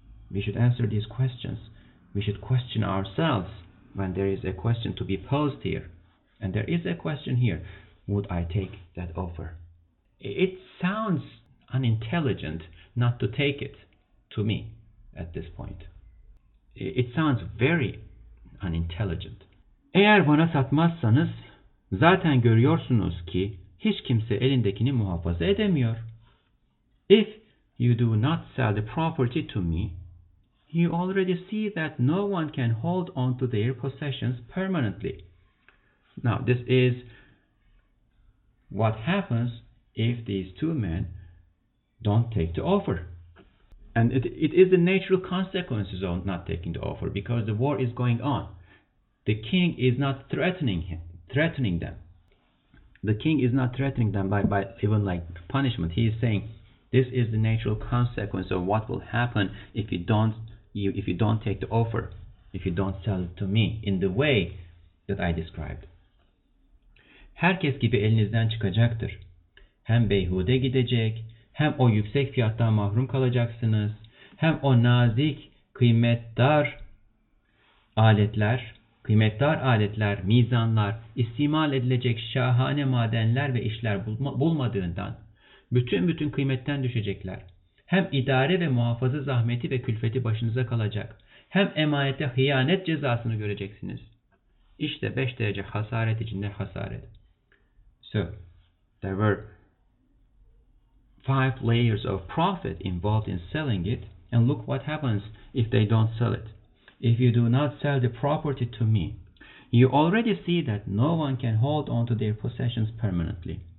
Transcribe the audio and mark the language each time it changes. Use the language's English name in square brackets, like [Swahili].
[English] We should answer these questions. We should question ourselves when there is a question to be posed here. And there is a question here. Would I take that offer? It sounds unintelligent not to take it to me at this point. It sounds very unintelligent. [Turkish] Eğer bana satmazsanız zaten görüyorsunuz ki hiç kimse elindekini muhafaza edemiyor. [English] If you do not sell the property to me, you already see that no one can hold on to their possessions permanently. Now, this is what happens if these two men don't take the offer. And it is the natural consequences of not taking the offer, because the war is going on. The king is not threatening them. The king is not threatening them by even like punishment. He is saying, this is the natural consequence of what will happen if you don't take the offer, if you don't sell it to me in the way that I described. [Turkish] Herkes gibi elinizden çıkacaktır. Hem beyhude gidecek, hem o yüksek fiyattan mahrum kalacaksınız, hem o nazik, kıymetli aletler, mizanlar, istimal edilecek şahane madenler ve işler bulmadığından bütün kıymetten düşecekler. Hem idare ve muhafaza zahmeti ve külfeti başınıza kalacak, hem emanete hıyanet cezasını göreceksiniz. İşte 5 derece hasaret içinde hasaret. [English] So, there were five layers of profit involved in selling it, and look what happens if they don't sell it. If you do not sell the property to me, you already see that no one can hold on to their possessions permanently.